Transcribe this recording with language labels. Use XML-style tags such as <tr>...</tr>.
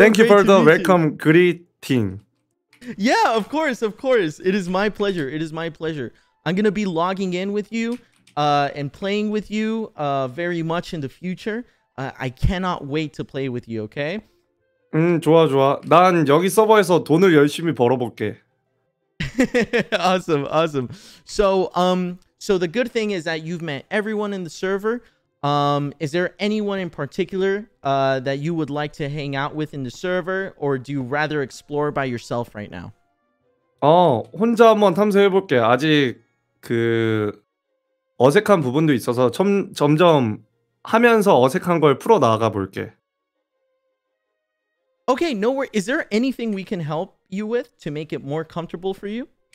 <en>thank great you for the welcome you. Greeting. Yeah, of course. It is my pleasure. I'm gonna be logging in with you and playing with you very much in the future. I cannot wait to play with you, okay?</en> <ko>좋아. 난 여기 서버에서 돈을 열심히 벌어볼게.</ko> <en>awesome. So the good thing is that you've met everyone in the server. Is there anyone in particular that you would like to hang out with in the server, or do you rather explore by yourself right now?</en> <ko>혼자 한번 탐색해볼게. 아직 그 어색한 부분도 있어서 점점 하면서 어색한 걸 풀어나가 볼게.</ko> <en>Okay, no worries. Is there anything we can help you with to make it more comfortable for you?</en>